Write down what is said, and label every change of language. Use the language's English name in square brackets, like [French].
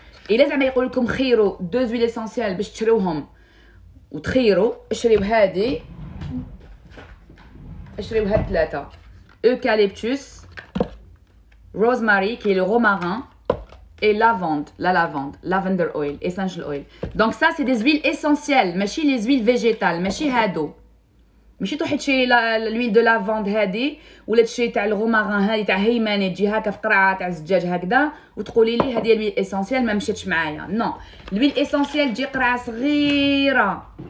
[Arabic] الا زعما يقول لكم خيروا دو زويل اسانسييل باش تشريوهم وتخيروا اشريو هذه اشريو هاد ثلاثه اوكاليبتوس [English] Rosemary [French] qui est le romarin et [English] lavender oil, essential oil. [French] Donc ça c'est des huiles essentielles, [Arabic] ماشي [French] les huiles végétales, [Arabic] ماشي هادو. ماشي تروحي تشري [French] l'huile de lavande [Arabic] هادي ولا تشري تاع الرومارين هادي تاع هيمنه تجي هكا في قرعه تاع الزجاج هكذا وتقولي لي هذه ال [French] huile essentielle [Arabic] ما مشاتش معايا. [English] No. [French] L'huile essentielle [Arabic] تجي قرعه صغيره.